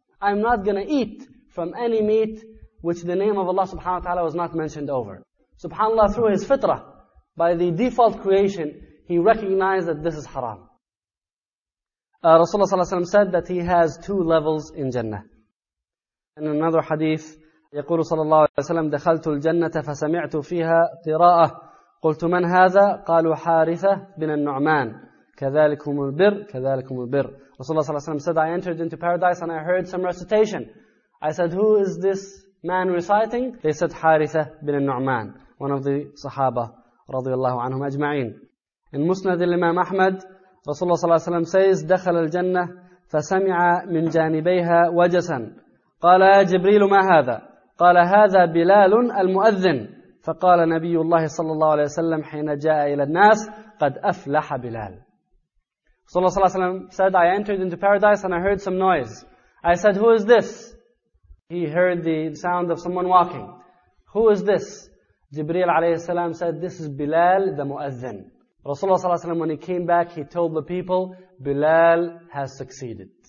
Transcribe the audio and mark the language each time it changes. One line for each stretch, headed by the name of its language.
English: I'm not going to eat from any meat which the name of Allah subhanahu wa ta'ala was not mentioned over. Subhanallah, through his fitrah, by the default creation, he recognized that this is haram. Rasulullah sallallahu alaihi wasallam said that he has two levels in Jannah. In another hadith,
Arabic: يقول صلى الله عليه وسلم دخلت الجنة فسمعت فيها قراءة قلت من هذا قالوا حارثة بن النعمان كذلكم البر كذلكم البر.
English: رسول الله صلى الله عليه وسلم said, I entered into paradise and I heard some recitation. I said, who is this man reciting? They said, حارثة بن النعمان, one of the صحابة
Arabic: رضي الله عنهم أجمعين.
English: In Musnad
Arabic: الإمام أحمد, رسول الله صلى الله عليه وسلم
English: says,
Arabic: دخل الجنة فسمع من جانبيها وجسا قال يا جبريل ما هذا؟ قال هذا بلال المؤذن. فقال نبي الله صلى الله عليه وسلم حين جاء إلى الناس قد أفلح بلال.
English: صلى الله عليه وسلم said, I entered into paradise and I heard some noise. I said, who is this? He heard the sound of someone walking. Who is this? Jibreel عليه السلام said, this is بلال the مؤذن. Rasulullah صلى الله عليه وسلم, when he came back, he told the people, بلال has succeeded.